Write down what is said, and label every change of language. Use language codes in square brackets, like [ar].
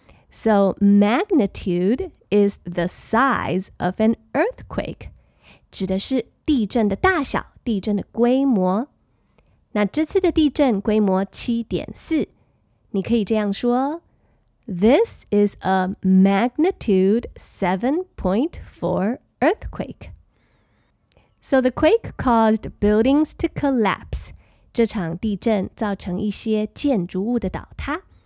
[en] So magnitude is the size of an earthquake, [zh] 指的是地震的大小，地震的规模。那这次的地震规模 7.4, 你可以这样说， [en] This is a magnitude 7.4 earthquake. So the quake caused buildings to collapse. [zh] 这场地震造成一些建筑物的倒塌。